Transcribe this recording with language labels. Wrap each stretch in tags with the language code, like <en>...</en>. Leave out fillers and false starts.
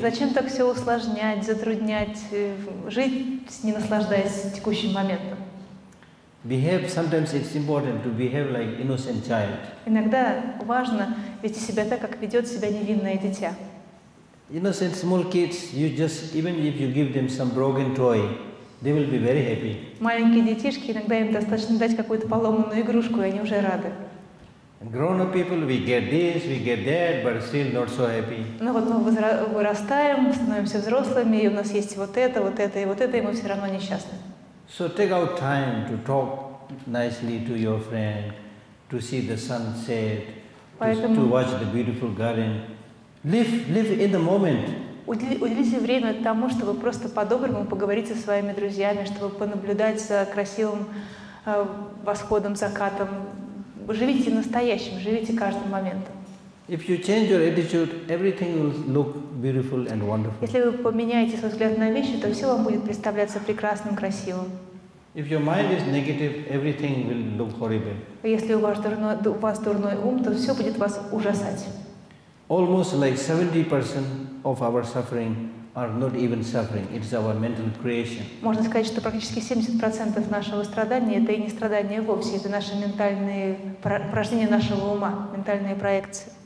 <ru>Зачем так все усложнять, затруднять жить, не наслаждаясь текущим моментом?</ru> <en>Behave. Sometimes it's important to behave like innocent child.</en> <ru>Иногда важно вести себя так, как ведет себя невинное дитя.</ru> <en>Innocent small kids. You just even if you give them some broken toy, they will be very happy.</en> <ru>Маленькие детишки иногда им достаточно дать какую-то поломанную игрушку, и они уже рады.</ru> <en>Grown-up people, we get this, we get that, but still not so happy.</en> <ru>Но вот мы вырастаем, становимся взрослыми, и у нас есть вот это, вот это и вот это, и мы все равно несчастны.</ru> <en>So take out time to talk nicely to your friend, to see the sunset, to watch the beautiful garden. Live in the moment.</en> <ru>Уделите время тому, чтобы просто по-доброму поговорить со своими друзьями, чтобы понаблюдать за красивым восходом, закатом. Живите настоящим, живите каждым моментом.</ru> <en>If you change your attitude, everything will look beautiful and wonderful.</en> <ru>Если вы поменяете свой взгляд на вещи, то все вам будет представляться прекрасным, красивым.</ru> <en>If your mind is negative, everything will look horrible.</en> <ru>Если у вас дурной ум, то все будет вас ужасать.</ru> <en>Almost like 70% of our suffering are not even suffering. It's our mental creation.</en> <ru>Можно сказать, что практически 70% нашего страдания — это и не страдание вовсе, это наши ментальные порождения нашего ума, ментальные проекции.</ru>